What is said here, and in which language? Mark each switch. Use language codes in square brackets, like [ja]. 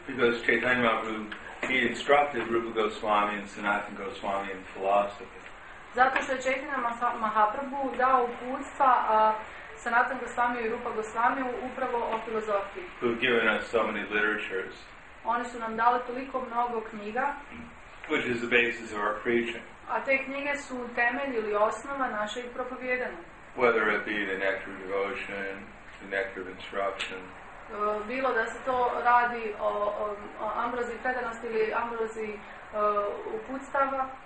[en] Because Chaitanya Mahaprabhu, he instructed Rupa Goswami and Sanatana Goswami in philosophy. [hr] Zato što je Chaitanya Mahaprabhu dao uputstva Sanatana Goswami i Rupa Goswami upravo o filozofiji. [en] Who have given us so many literatures. [hr] Oni su nam dali toliko mnogo knjiga. [en] Which is the basis of our preaching. [hr] A te knjige su temelj ili osnova našeg propovjedanja. [en] Whether it be the nectar of devotion, the nectar of instruction. [hr] Bilo da se to radi o ambrozi predanosti ili ambrozi uputstava.